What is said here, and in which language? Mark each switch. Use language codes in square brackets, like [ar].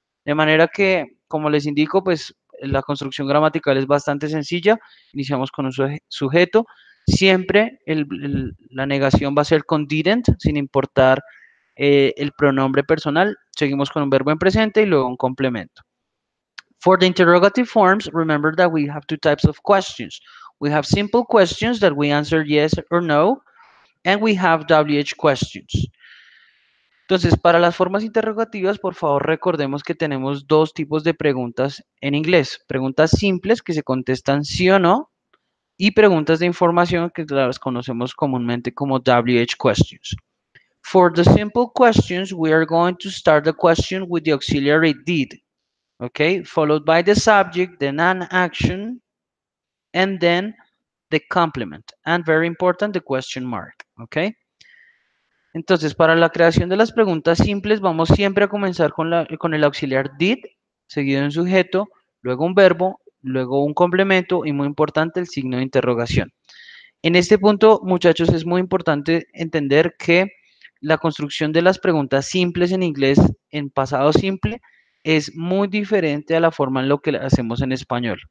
[es] De manera que, como les indico, pues la construcción gramatical es bastante sencilla. Iniciamos con un sujeto. Siempre la negación va a ser con didn't, sin importar el pronombre personal, seguimos con un verbo en presente y luego un complemento. [en] For the interrogative forms, remember that we have two types of questions. We have simple questions that we answer yes or no, and we have WH questions. [es] Entonces, para las formas interrogativas, por favor, recordemos que tenemos dos tipos de preguntas en inglés. Preguntas simples que se contestan sí o no, y preguntas de información que las conocemos comúnmente como WH questions. [en] For the simple questions, we are going to start the question with the auxiliary did, okay? Followed by the subject, then an action, and then the complement. And very important, the question mark, okay? [es] Entonces, para la creación de las preguntas simples, vamos siempre a comenzar con el auxiliar did, seguido de un sujeto, luego un verbo, luego un complemento y, muy importante, el signo de interrogación. En este punto, muchachos, es muy importante entender que la construcción de las preguntas simples en inglés en pasado simple es muy diferente a la forma en lo que hacemos en español.